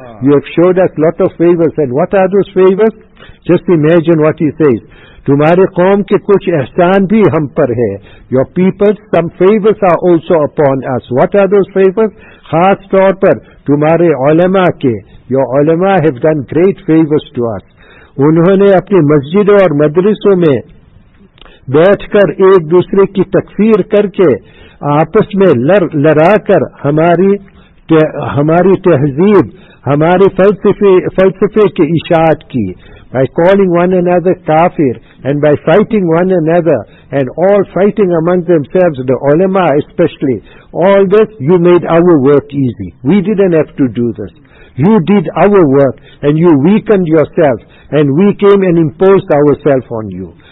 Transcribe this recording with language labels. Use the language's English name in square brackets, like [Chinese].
[English] You have showed us lot of favors, and what are those favors? Just imagine what he says. [Urdu] Tumhare qaum ke kuch ihsan bhi hum par hai. [English] Your people, some favors are also upon us. What are those favors? [Urdu] Khaas taur par tumhare ulama ke. [English] Your ulama have done great favors to us. [Urdu] Unhone apni masjidon aur madrasaton mein بیٹھ کر ایک دوسرے کی تکفیر کر کے آپس میں لڑا کر ہماری تہذیب, ہمارے فلسفے کی اشاعت کی. [English] By calling one another kafir and by fighting one another and all fighting among themselves, the ulama especially, all this, you made our work easy. We didn't have to do this. You did our work and you weakened yourself, and we came and imposed ourselves on you.